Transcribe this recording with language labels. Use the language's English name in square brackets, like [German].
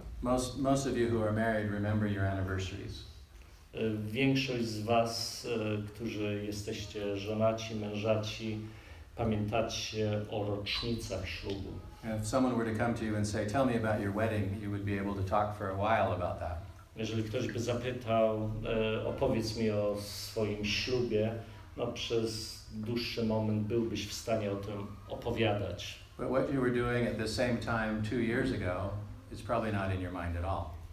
[English] Most of you who are married remember your anniversaries. [Polish] Większość z was, którzy jesteście żonaci, mężaci, pamiętacie o rocznicach ślubu. [English] If someone were to come to you and say, "Tell me about your wedding," you would be able to talk for a while about that. [Polish] Jeżeli ktoś by zapytał, opowiedz mi o swoim ślubie, no przez dłuższy moment byłbyś w stanie o tym opowiadać. [English] But what you were doing at the same time 2 years ago is probably not in your mind at all.